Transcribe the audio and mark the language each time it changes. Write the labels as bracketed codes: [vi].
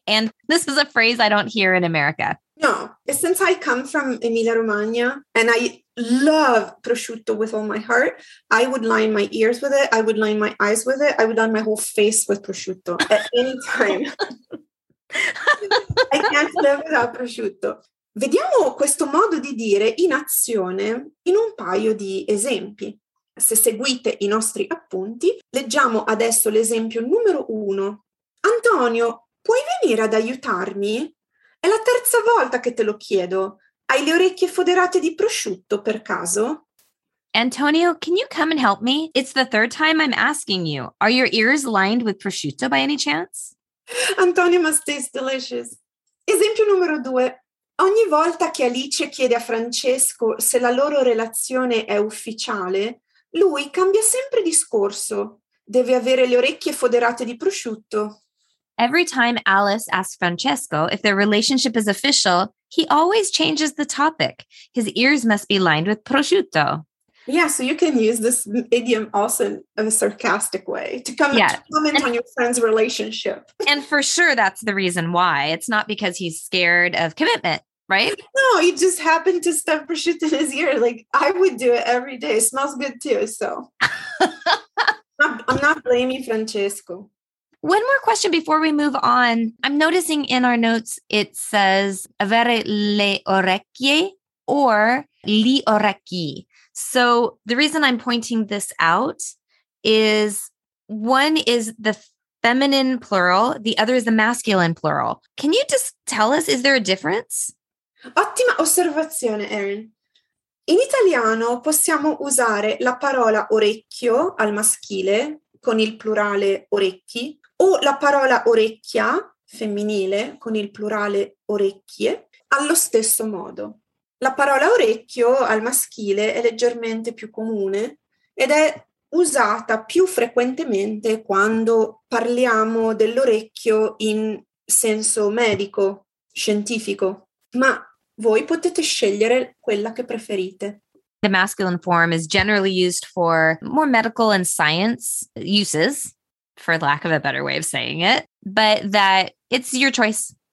[en] And this is a phrase I don't hear in America. No, since I come from Emilia-Romagna and I love prosciutto with all my heart, I would line my ears with it, I would line my eyes with it, I would line my whole face with prosciutto at any time. I can't live without prosciutto. [it] Vediamo questo modo di dire in azione in un paio di esempi. Se seguite i nostri appunti, leggiamo adesso l'esempio numero uno. Antonio, puoi venire ad aiutarmi? È la terza volta che te lo chiedo. Hai le orecchie foderate di prosciutto per caso? [en] Antonio, can you come and help me? It's the third time I'm asking you. Are your ears lined with prosciutto by any chance? Antonio must taste delicious. [it] Esempio numero due. Ogni volta che Alice chiede a Francesco se la loro relazione è ufficiale, lui cambia sempre discorso. Deve avere le orecchie foderate di prosciutto. [en] Every time Alice asks Francesco if their relationship is official, he always changes the topic. His ears must be lined with prosciutto. Yeah, so you can use this idiom also in a sarcastic way to comment on your friend's relationship. And for sure, that's the reason why. It's not because he's scared of commitment, right? No, he just happened to stuff prosciutto in his ear. Like, I would do it every day. It smells good too, so. I'm not blaming Francesco. One more question before we move on. I'm noticing in our notes, it says [it] avere le orecchie [en] or [it] gli orecchi. [en] So the reason I'm pointing this out is one is the feminine plural, the other is the masculine plural. Can you just tell us, is there a difference? [it] Ottima osservazione, Erin. In italiano possiamo usare la parola orecchio al maschile con il plurale orecchi, o la parola orecchia, femminile, con il plurale orecchie, allo stesso modo. La parola orecchio al maschile è leggermente più comune ed è usata più frequentemente quando parliamo dell'orecchio in senso medico, scientifico. Ma voi potete scegliere quella che preferite. [en] The masculine form is generally used for more medical and science uses, for lack of a better way of saying it, but that it's your choice.